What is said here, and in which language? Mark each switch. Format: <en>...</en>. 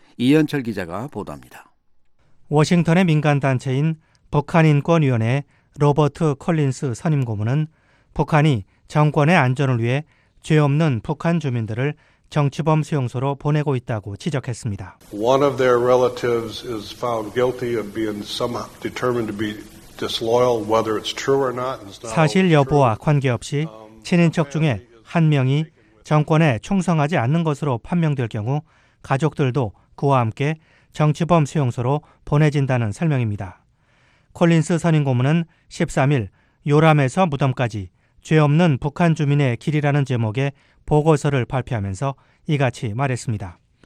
<ko>이현철 기자가 보도합니다. 워싱턴의 민간단체인 북한인권위원회 로버트 콜린스 선임고문은 북한이 정권의 안전을 위해 죄 없는 북한 주민들을 정치범 수용소로 보내고 있다고 지적했습니다.</ko> <en>One of their relatives is found guilty of being somehow determined to be disloyal, whether it's true or not.</en> <ko>사실 여부와 관계없이 친인척 중에 한 명이 정권에 충성하지 않는 것으로 판명될 경우 가족들도 그와 함께 정치범 수용소로 보내진다는 설명입니다. 콜린스 선임고문은 13일 요람에서 무덤까지 죄 없는 북한 주민의 길이라는 제목의 보고서를 발표하면서 이같이 말했습니다.</ko>